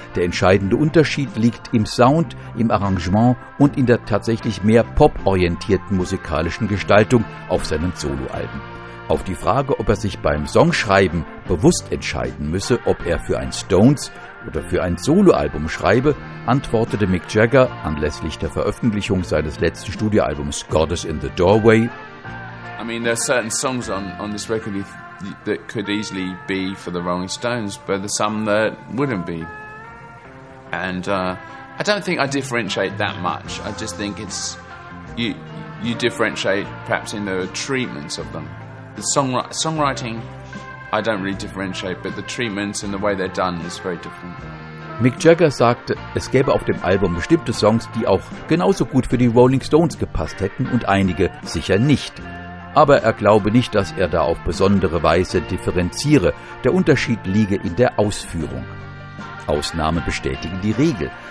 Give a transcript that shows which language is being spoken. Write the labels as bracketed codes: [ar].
[de] Der entscheidende Unterschied liegt im Sound, im Arrangement und in der tatsächlich mehr pop-orientierten musikalischen Gestaltung auf seinen Solo-Alben. Auf die Frage, ob er sich beim Songschreiben bewusst entscheiden müsse, ob er für ein Stones- oder für ein Solo-Album schreibe, antwortete Mick Jagger anlässlich der Veröffentlichung seines letzten Studioalbums Goddess in the Doorway, [en] I mean, there are certain songs on this record that could easily be for the Rolling Stones, but there's some that wouldn't be. And I don't think I differentiate that much. I just think it's you differentiate perhaps in the treatments of them. The songwriting, I don't really differentiate, but the treatments and the way they're done is very different. [de] Mick Jagger sagte, es gäbe auf dem Album bestimmte Songs, die auch genauso gut für die Rolling Stones gepasst hätten und einige sicher nicht. Aber er glaube nicht, dass er da auf besondere Weise differenziere. Der Unterschied liege in der Ausführung. Ausnahmen bestätigen die Regel.